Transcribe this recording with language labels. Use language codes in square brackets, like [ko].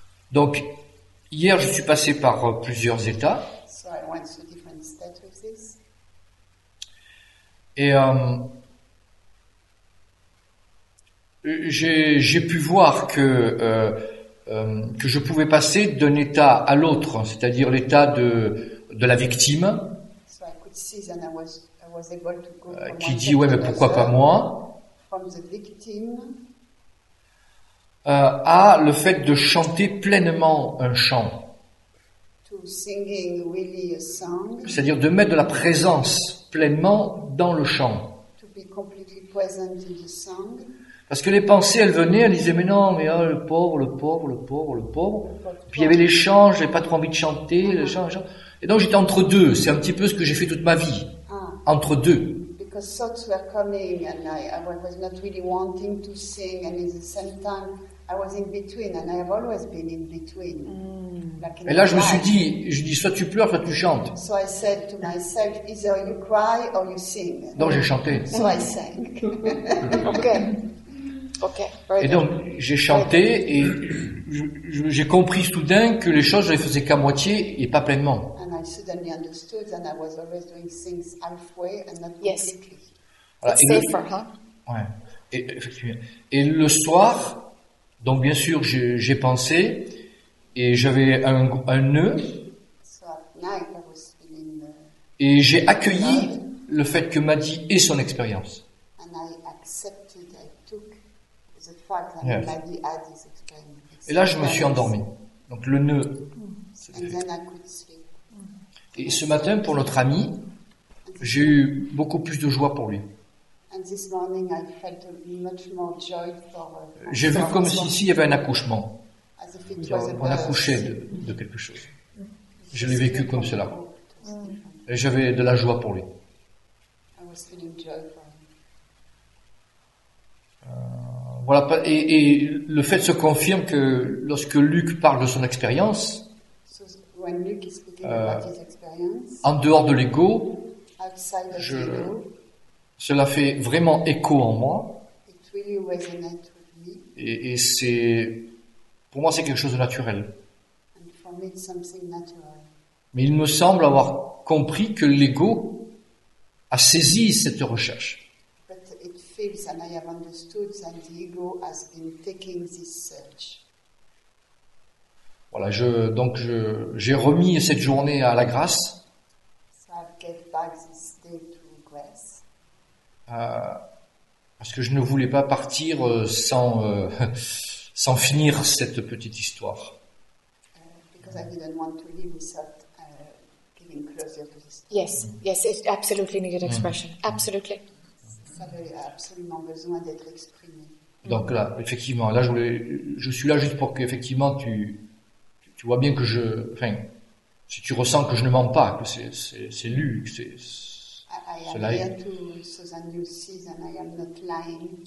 [fr] Donc, hier, je suis passé par plusieurs états. [en] So I went to different states with this. [fr] Et j'ai pu voir que je pouvais passer d'un état à l'autre, c'est-à-dire l'état de la victime. [en] So I could see that I was... [fr] Qui dit ouais mais pourquoi pas moi, [en] from the victim, [fr] à le fait de chanter pleinement un chant, [en] to singing really a song, [fr] c'est-à-dire de mettre de la présence pleinement dans le chant, [en] to be completely present in the song, [fr] parce que les pensées elles venaient, elles disaient mais non mais oh, le pauvre, le pauvre, le pauvre, le pauvre, puis il y avait les chants, j'avais pas trop envie de chanter, mm-hmm. les chants. Et donc j'étais entre deux, c'est un petit peu ce que j'ai fait toute ma vie. Entre deux. [en] Because thoughts were coming and I was not really wanting to sing and at the same time I was in between and I have always been in between. Like in. [fr] Et là je me suis dit, je dis soit tu pleures soit tu chantes. [en] So I said to myself either you cry or you sing. [fr] Donc j'ai chanté. [en] So I sang. Okay. Very [fr] et [en] good. [fr] Donc j'ai chanté et j'ai compris soudain que les choses je les faisais qu'à moitié et pas pleinement. [en] I suddenly understood and I was always doing things halfway and not completely. Voilà, it's safer, huh? [fr] Ouais. Et effectivement. Et le soir, donc bien sûr, j'ai pensé et j'avais un nœud. [en] So at night I was feeling the... [fr] Et j'ai accueilli le fait que Maddy ait son expérience. [en] And I accepted, I took the fact that, yes, Maddy had his experience. [fr] Et là, je me suis endormi. Donc le nœud. [en] And then I could sleep. [fr] Et ce matin, pour notre ami, j'ai eu beaucoup plus de joie pour lui. [en] And this morning, I felt much more joy for [fr] j'ai vu comme si il y avait un accouchement. [en] As if it was [fr] on accouchait de quelque chose. Je l'ai vécu comme cela. Et j'avais de la joie pour lui. [en] I was feeling joy for him. [fr] Voilà, et le fait se confirme que lorsque Luc parle de son expérience, [en] when Luke is speaking about his experience, [fr] en dehors de l'ego, [en] outside of the ego, [fr] Cela fait vraiment écho en moi. [en] It really resonates with me. [fr] Et c'est, pour moi, c'est quelque chose de naturel. [en] And for me, it's something natural. [fr] Mais il me semble avoir compris que l'ego a saisi cette recherche. [en] But it feels, and I have understood that the ego has been taking this search. [fr] Voilà, j'ai remis cette journée à la grâce. [en] So I gave back this day to grace. [fr] Parce que je ne voulais pas partir sans finir cette petite histoire. Because I didn't want to leave without giving closure to this. [en] Yes, yes, it's absolutely needed expression. Mm. Absolutely. [fr] Ça avait absolument besoin d'être exprimé. Donc là, effectivement, là je suis là juste pour que effectivement tu vois bien que je, enfin, si tu ressens que je ne mens pas, que c'est lu, que c'est [en] I am here to, so that you see that I am not lying.